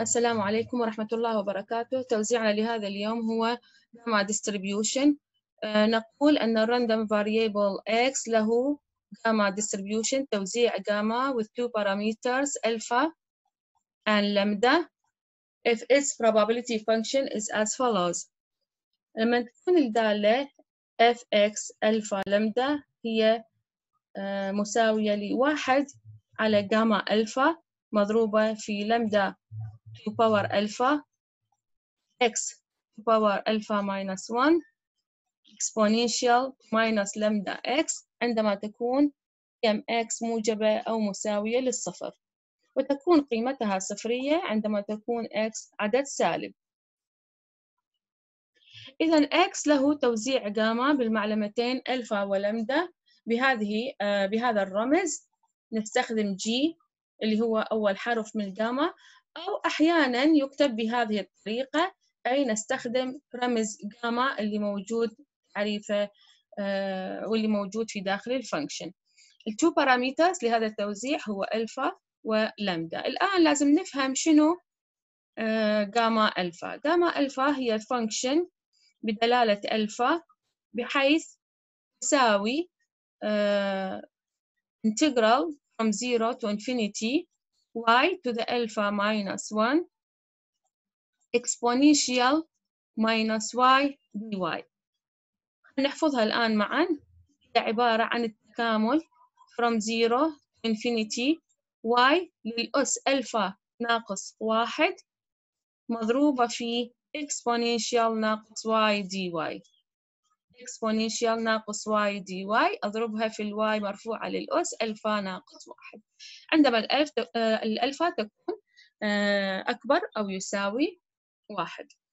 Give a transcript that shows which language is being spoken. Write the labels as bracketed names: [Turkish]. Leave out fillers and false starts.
[Arabic] السلام عليكم ورحمة الله وبركاته. توزيعنا لهذا اليوم هو جاما ديستريبيوشن. نقول أن الراندوم فاريبل X له جاما ديستريبيوشن، توزيع جاما [English] with two parameters alpha and lambda. If its probability function is as follows. [Arabic] لما تكون الدالة Fx alpha lambda هي مساوية لواحد على جاما alpha مضروبة في لامدا [English] 2 power alpha x 2 power alpha minus 1 exponential minus lambda x [Arabic] عندما تكون قيم x موجبة أو مساوية للصفر، وتكون قيمتها صفرية عندما تكون x عدد سالب. إذا x له توزيع جاما بالمعلمتين alpha ولامدا بهذا الرمز، نستخدم g اللي هو أول حرف من الجاما، أو أحياناً يكتب بهذه الطريقة أي نستخدم رمز جاما اللي موجود تعريفه واللي موجود في داخل الفانكشن. التو باراميترز لهذا التوزيع هو ألفا ولامدا. الآن لازم نفهم شنو جاما ألفا. جاما ألفا هي فانكشن بدلالة ألفا بحيث تساوي [English] integral from 0 to infinity y to the alpha minus 1 exponential minus y dy. [Arabic] نحفظها الآن معاً. هي عبارة عن التكامل [English] from 0 to infinity [Arabic] y للأس alpha ناقص 1 مضروبة في exponential ناقص y dy. [English] exponential [Arabic] ناقص y dy أضربها في ال y مرفوعة للأس ألفا ناقص 1 عندما الألفا تكون أكبر أو يساوي 1.